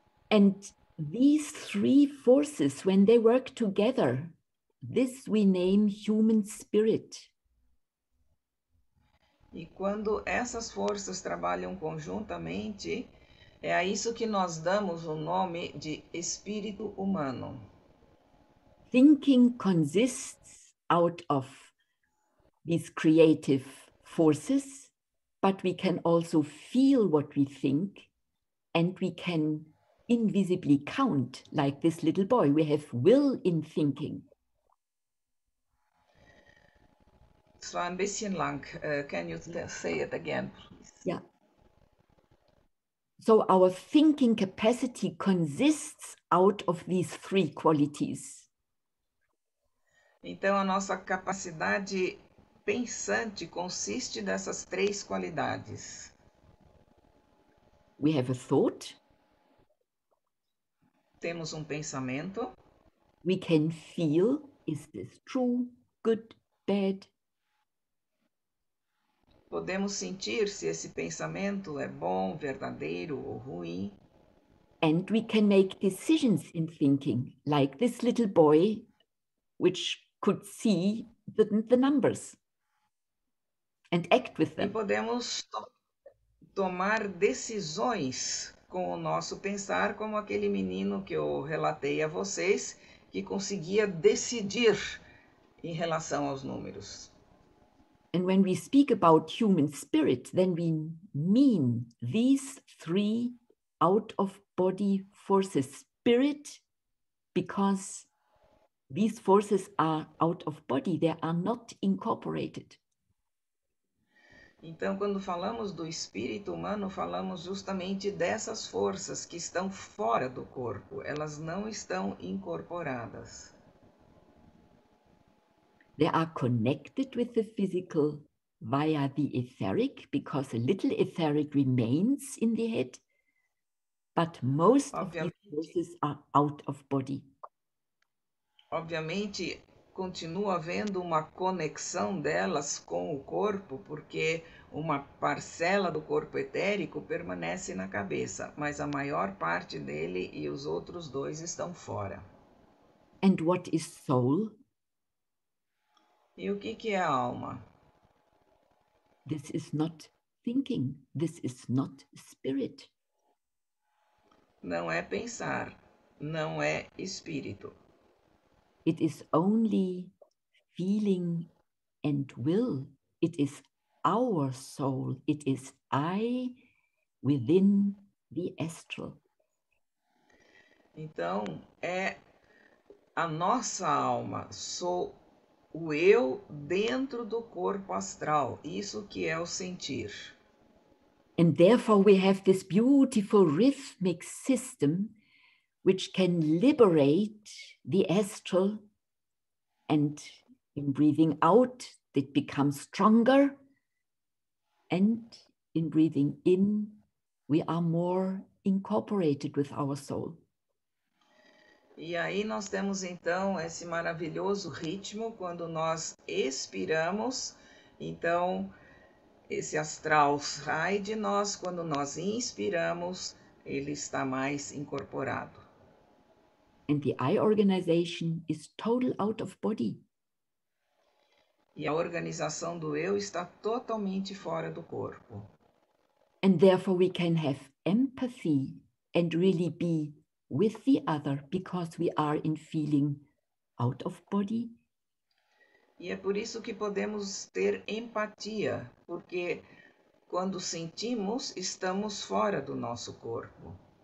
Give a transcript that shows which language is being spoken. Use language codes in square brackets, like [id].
[en] And these three forces, when they work together, this we name human spirit. [pt] E quando essas forças trabalham conjuntamente, é a isso que nós damos o nome de espírito humano. [en] Thinking consists out of these creative forces, but we can also feel what we think and we can invisibly count, like this little boy. We have will in thinking. [de] So ein bisschen lang. [en] Can you say it again, please? Yeah. So our thinking capacity consists out of these three qualities. [pt] Então a nossa capacidade pensante consiste dessas três qualidades. [en] We have a thought. [pt] Temos pensamento. [en] We can feel, is this true, good, bad? [pt] Podemos sentir se esse pensamento é bom, verdadeiro ou ruim. [en] And we can make decisions in thinking, like this little boy, which could see the numbers and act with them. [pt] E podemos tomar decisões com o nosso pensar, como aquele menino que eu relatei a vocês, que conseguia decidir em relação aos números. [en] And when we speak about human spirit, then we mean these three out-of-body forces. Spirit, because these forces are out-of-body, they are not incorporated. [pt] Então, quando falamos do espírito humano, falamos justamente dessas forças que estão fora do corpo. Elas não estão incorporadas. [en] They are connected with the physical via the etheric, because a little etheric remains in the head, but most of these forces are out of body. [pt] Obviamente, continuo havendo uma conexão delas com o corpo, porque uma parcela do corpo etérico permanece na cabeça, mas a maior parte dele e os outros dois estão fora. [en] And what is soul? [pt] E o que que é a alma? [en] This is not thinking. This is not spirit. [pt] Não é pensar, não é espírito. [en] It is only feeling and will. It is our soul. It is I within the astral. [pt] Então, é a nossa alma, sou o eu dentro do corpo astral, isso que é o sentir. [en] And therefore we have this beautiful rhythmic system which can liberate the astral, and in breathing out it becomes stronger, and in breathing in we are more incorporated with our soul. [pt] E aí nós temos então esse maravilhoso ritmo quando nós expiramos, então esse astral sai de nós, quando nós inspiramos, ele está mais incorporado. [en] And the eye organization is total out of body. [pt] E a organização do eu está totalmente fora do corpo. [en] And therefore we can have empathy and really be with the other because we are in feeling out of body. [pt] E é por isso que podemos ter empatia, porque quando sentimos, estamos fora do nosso corpo.